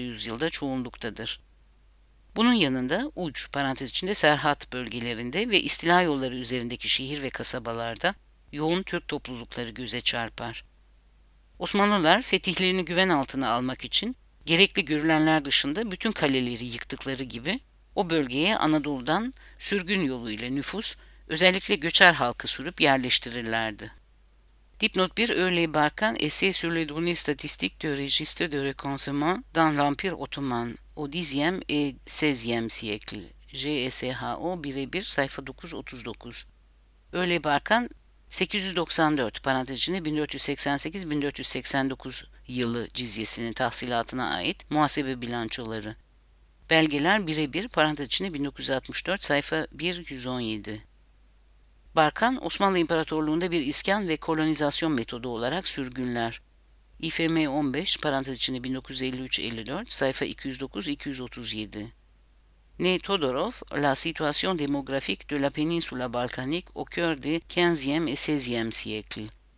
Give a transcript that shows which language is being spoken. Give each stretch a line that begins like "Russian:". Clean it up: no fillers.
Turkish: yüzyılda çoğunluktadır. Bunun yanında uç, parantez içinde Serhat bölgelerinde ve istila yolları üzerindeki şehir ve kasabalarda yoğun Türk toplulukları göze çarpar. Osmanlılar fetihlerini güven altına almak için gerekli görülenler dışında bütün kaleleri yıktıkları gibi o bölgeye Anadolu'dan sürgün yoluyla nüfus, özellikle göçer halkı sürüp yerleştirirlerdi. Dipnot 1.
French: Early Barkan, Essai sur les données statistiques de registre de recensement dans l'Empire Ottoman au 10e et 16e siècle.
Turkish: GSHO 1-1, sayfa 939. Early Barkan, 894 parantezine 1488-1489 yılı cizyesinin tahsilatına ait muhasebe bilançoları. Belgeler 1-1, parantez içinde 1964, sayfa 1-117. Barkan, Osmanlı İmparatorluğu'nda bir iskan ve kolonizasyon metodu olarak sürgünler. İFM 15, parantez içinde 1953-54, sayfa 209-237.
French: Ne Todorov, La situation démographique de la péninsula balkanique au cœur du 15e et 16e siècle.